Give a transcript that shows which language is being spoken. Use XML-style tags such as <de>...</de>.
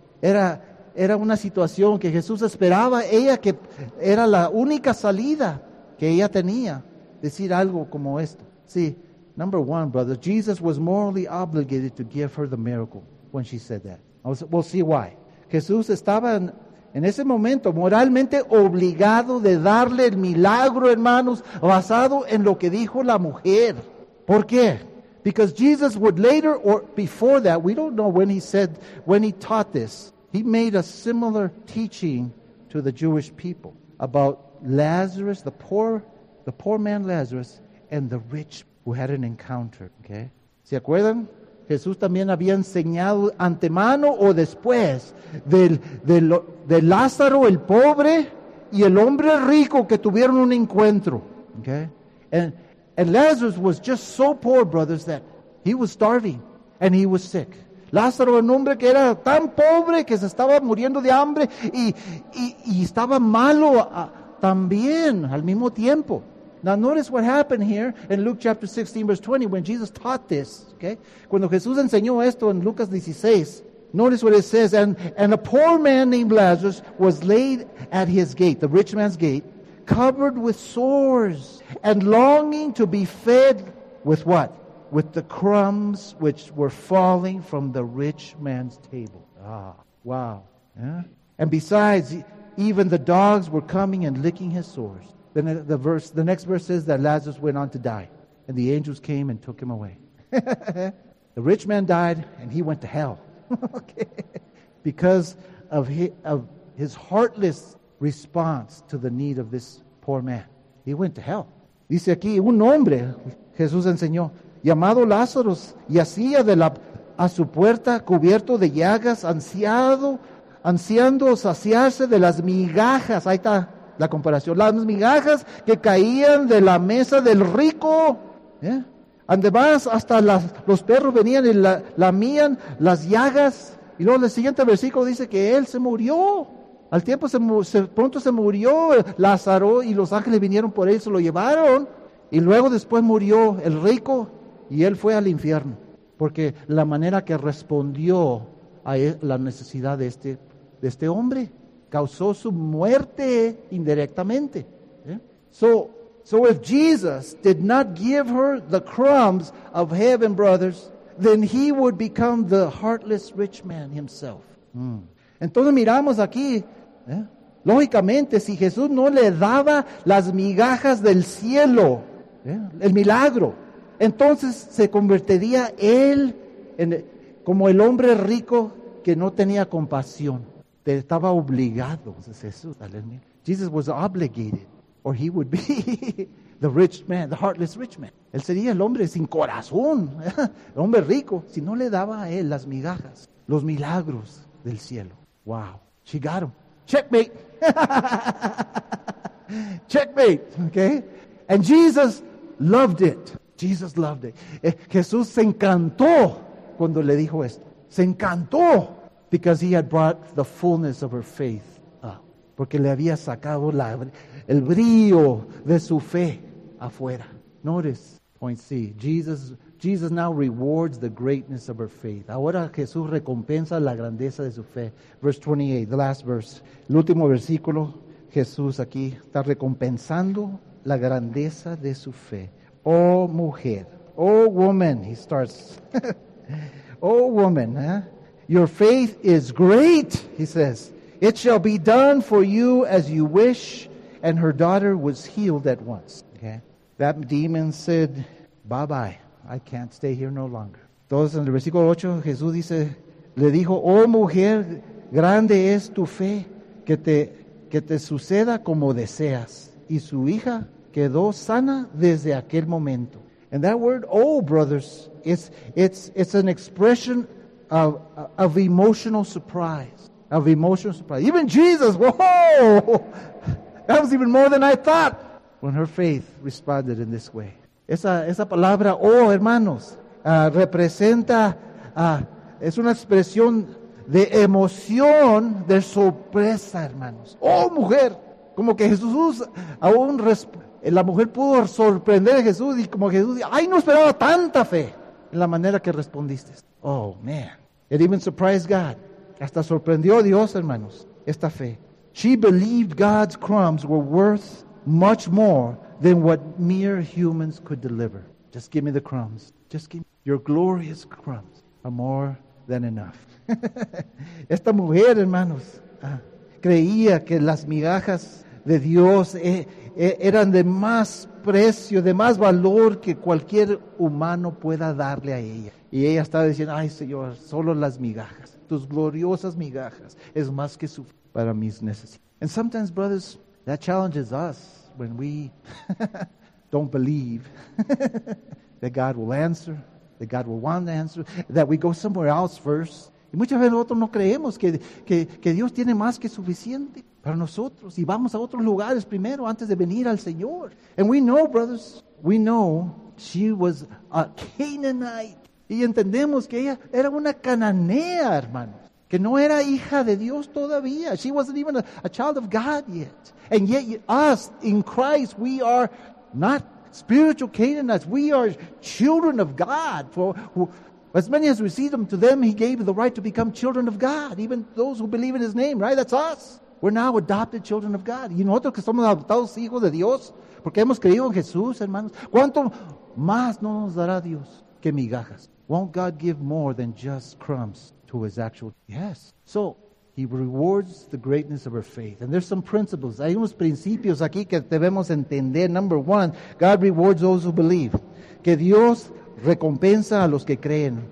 <es>Era una situación que Jesús esperaba, ella que era la única salida que ella tenía, decir algo como esto.</es> <en>See, number one, brothers, Jesus was morally obligated to give her the miracle when she said that. We'll see why.</en> <es>Jesús estaba en ese momento moralmente obligado de darle el milagro, hermanos, basado en lo que dijo la mujer. ¿Por qué?</es> <en>Because Jesus would later, or before that, we don't know when when he taught this, he made a similar teaching to the Jewish people about Lazarus, the poor man Lazarus, and the rich who had an encounter. Okay?</en> <es>¿Se acuerdan? Jesús también había enseñado antemano o después de Lázaro el pobre y el hombre rico que tuvieron un encuentro.</es> <en>Okay? And Lazarus was just so poor, brothers, that he was starving and he was sick.</en> <es>Lázaro, un hombre que era tan pobre que se estaba muriendo de hambre y estaba malo también al mismo tiempo.</es> <en>Now notice what happened here in Luke chapter 16 verse 20 when Jesus taught this. Okay,</en> <es>cuando Jesús enseñó esto en Lucas 16,</es> <en>notice what it says, and a poor man named Lazarus was laid at his gate, the rich man's gate, covered with sores and longing to be fed with what? With the crumbs which were falling from the rich man's table. Ah, wow. Yeah? And besides, even the dogs were coming and licking his sores. Then the next verse says that Lazarus went on to die. And the angels came and took him away. The rich man died and he went to hell. Okay. Because of his heartless response to the need of this poor man. He went to hell.</en> <es>Dice aquí, un hombre, Jesús enseñó, llamado Lázaro, yacía a su puerta cubierto de llagas, ansiando saciarse de las migajas. Ahí está la comparación. Las migajas que caían de la mesa del rico.</es> <en>Yeah.</en> <es>Además, hasta los perros venían y lamían las llagas. Y luego el siguiente versículo dice que él se murió. Al tiempo, pronto se murió Lázaro y los ángeles vinieron por él, se lo llevaron. Y luego después murió el rico. Y él fue al infierno, porque la manera que respondió a la necesidad de este hombre causó su muerte indirectamente.</es> <en>Yeah. So if Jesus did not give her the crumbs of heaven, brothers, then he would become the heartless rich man himself. Mm.</en> <es>Entonces miramos aquí, yeah. Lógicamente, si Jesús no le daba las migajas del cielo,</es> <en>yeah.</en> <es>El milagro, entonces se convertiría él como el hombre rico que no tenía compasión. Te estaba obligado.</es> <en>Jesus was obligated, or he would be the rich man, the heartless rich man.</en> <es>Él sería el hombre sin corazón, el hombre rico, si no le daba a él las migajas, los milagros del cielo.</es> <en>Wow. She got him. Checkmate. Checkmate. Okay. And Jesus loved it. Jesus loved it.</en> <es>Jesús se encantó cuando le dijo esto. Se encantó.</es> <en>Because he had brought the fullness of her faith. Ah,</en> <es>porque le había sacado el brillo de su fe afuera.</es> <en>Notice point C. Jesus now rewards the greatness of her faith.</en> <es>Ahora Jesús recompensa la grandeza de su fe.</es> <en>Verse 28, the last verse.</en> <es>El último versículo, Jesús aquí está recompensando la grandeza de su fe. Oh, mujer.</es> <en>Oh, woman, he starts. Oh, woman, huh? Your faith is great, he says. It shall be done for you as you wish. and her daughter was healed at once. Okay. That demon said, bye bye. I can't stay here no longer.</en> <es>Entonces, en el versículo 8, Jesús dice, le dijo, oh mujer, grande es tu fe, que te suceda como deseas. Y su hija quedó sana desde aquel momento.</es> <en>And that word, oh, brothers, it's an expression of emotional surprise. Of emotional surprise. Even Jesus, whoa, that was even more than I thought. When her faith responded in this way.</en> <es>Esa palabra, oh, hermanos, representa, es una expresión de emoción, de sorpresa, hermanos. Oh, mujer, como que Jesús aún responde. La mujer pudo sorprender a Jesús y como Jesús dijo, ¡ay, no esperaba tanta fe! En la manera que respondiste.</es> <en>Oh, man. It even surprised God.</en> <es>Hasta sorprendió a Dios, hermanos, esta fe.</es> <en>She believed God's crumbs were worth much more than what mere humans could deliver. Just give me the crumbs. Just give me your glorious crumbs. Are more than enough.</en> <es>Esta mujer, hermanos, creía que las migajas de Dios eran de más precio, de más valor que cualquier humano pueda darle a ella. Y ella estaba diciendo, ay Señor, solo las migajas, tus gloriosas migajas, es más que suficiente para mis necesidades.</es> <en>And sometimes, brothers, that challenges us when we don't believe that God will answer, that God will want to answer, that we go somewhere else first.</en> <es>Y muchas veces nosotros no creemos que Dios tiene más que suficiente para nosotros y vamos a otros lugares primero antes de venir al Señor.</es> <en>And we know, brothers, we know she was a Canaanite.</en> <es>Y entendemos que ella era una cananea, hermanos, que no era hija de Dios todavía.</es> <en>She wasn't even a child of God yet. And yet us, in Christ, we are not spiritual Canaanites. We are children of God. As many as received him, to them he gave the right to become children of God, even those who believe in his name, right? That's us. We're now adopted children of God.</en> <es>Y nosotros que somos adoptados hijos de Dios, porque hemos creído en Jesús, hermanos, ¿cuánto más no nos dará Dios que migajas?</es> <en>Won't God give more than just crumbs to his actual? Yes. So, he rewards the greatness of her faith. And there's some principles.</en> <es>Hay unos principios aquí que debemos entender.</es> <en>Number one, God rewards those who believe.</en> <es>Que Dios recompensa a los que creen.</es>